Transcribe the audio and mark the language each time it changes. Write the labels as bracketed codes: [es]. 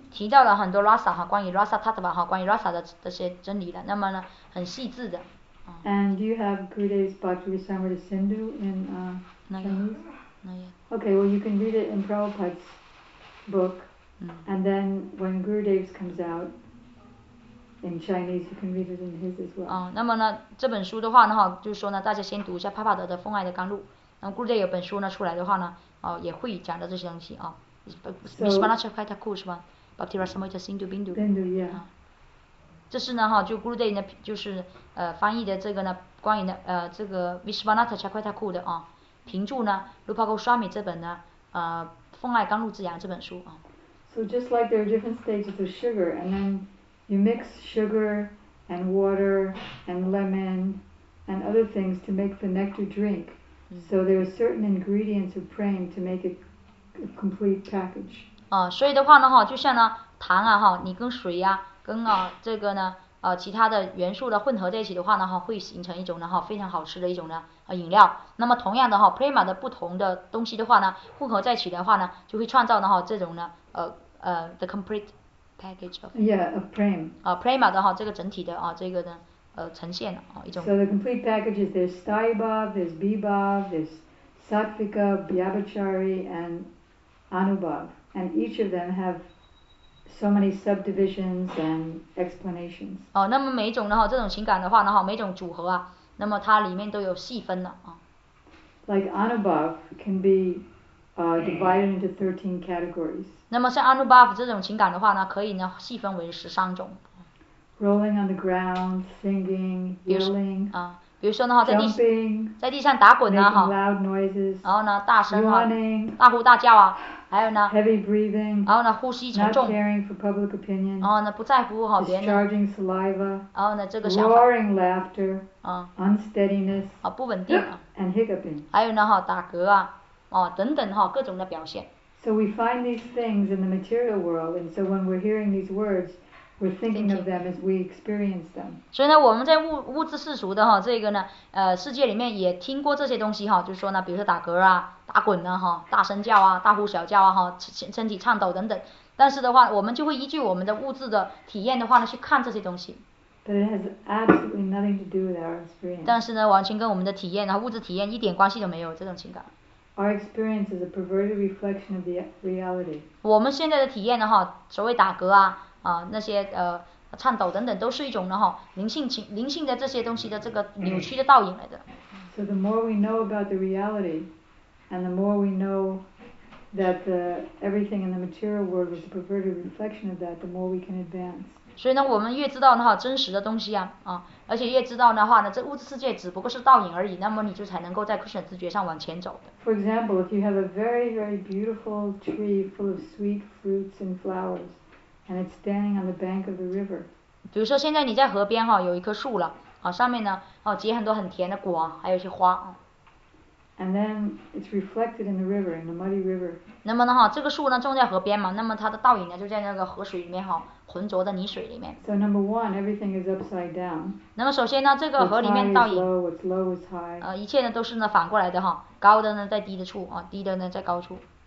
[zh] 提到了很多 rasa 哈，关于 rasa tattva 哈，关于 rasa 的这些真理的，那么呢，很细致的。 [en] And do you have Gurudev's Bhaktivedanta Sindhu in Chinese? Not yet. Okay, well you can read it in Prabhupada's book, and then when Gurudev's comes out. In Chinese, you can read it in his as well. [zh] 那么呢，这本书的话呢，哈，就是说呢，大家先读一下帕帕德的《奉爱的甘露》。那么 Gurudev 有本书呢出来的话呢，也会讲到这些东西啊。 Vishvanatha Kaitakur 是吧 ？Bhaktirasamrita Sindhu Bindu。 [en] Bindu, yeah. [zh] 这是呢哈，就 Gurudev 呢，就是翻译的这个呢，关于呢这个 Vishvanatha Chakravartiku 的啊，评注呢 Rupa Goswami 这本呢奉爱甘露之阳这本书啊。 [en] So just like there are different stages of sugar, and then you mix sugar and water and lemon and other things to make the nectar drink. So there are certain ingredients of praying to make it a complete package. [zh] 啊，所以的话呢哈，就像呢糖啊哈，你跟水呀、啊。跟啊这个呢其他的元素的混合在一起的话呢哈，会形成一种呢哈非常好吃的一种呢饮料。那么同样的哈 ，prema 的不同的东西的话呢，混合在一起的话呢，就会创造呢哈这种呢 the complete package of prema 啊 prema 的哈这个整体的啊这个呢呈现啊一种。 [en] So the complete package is there's staiba, there's biba, there's sattvika, vyabhachari, and anubhav, and each of them have so many subdivisions and explanations. [zh] 哦，那么每一种呢，这种情感的话呢，每一种组合啊，那么它里面都有细分了啊。 [en] Like anubhav can be divided into 13 categories. [zh] 那么像 anubhav 这种情感的话呢，可以呢细分为13种。 [en] Rolling on the ground, singing, yelling. [zh] 啊，比如说呢哈，在地 [en] jumping, [zh] 在地上打滚呢哈。 [en] Making loud noises. [zh] 然后呢，大声哈。 [en] Running. [zh] 大呼大叫啊。还有呢 [en] ，heavy breathing， [zh] 然后呢，呼吸沉重 [en] ，not caring for public opinion， [zh] 然后呢，不在乎哈别人 [en] ，discharging saliva， [zh] 然后呢，这个 [en] roaring laughter，啊，unsteadiness， [zh] 啊，不稳定啊 [en] ，and hiccuping， [zh] 还有呢哈，打嗝啊，哦，等等哈，各种的表现。 [en] So we find these things in the material world, and so when we're hearing these words, we're thinking of them as we experience them. [zh] 所以呢，我们在物质世俗的哈这个呢，世界里面也听过这些东西哈，就是说呢，比如说打嗝啊。打滚呢哈，大声叫啊，大呼小叫啊哈，身体颤抖等等。但是的话，我们就会依据我们的物质的体验的话呢，去看这些东西。 [en] But it has absolutely nothing to do with our experience. [zh] 但是呢，完全跟我们的体验啊，物质体验一点关系都没有，这种情感。 [en] Our experience is a perverted reflection of the reality. [zh] 我们现在的体验呢哈，所谓打嗝啊那些颤抖等等，都是一种呢哈灵性的这些东西的这个扭曲的倒影来的。 [en] So the more we know about the reality. And the more we know that everything in the material world is a perverted reflection of that, the more we can advance. [zh] 所以呢，我们越知道呢哈真实的东西啊，而且越知道的话呢，这物质世界只不过是倒影而已，那么你就才能够在 Krishna 直觉上往前走的。 [en] For example, if you have a very, very beautiful tree full of sweet fruits and flowers, and it's standing on the bank of the river. [zh] 比如说现在你在河边哈，有一棵树了，啊，上面呢，哦，结很多很甜的果，还有一些花啊。 [en] And then it's reflected in the river, in the muddy river. [zh] 那么呢哈，这个树呢种在河边嘛，那么它的倒影呢就在那个河水里面哈，浑浊的泥水里面。 [en] So number one, everything is upside down. [zh] 那么首先呢，这个河里面倒影。 [en] What's low is high. [zh] 一切呢都是呢反过来的哈，高的呢在低的处啊，低的呢在高处。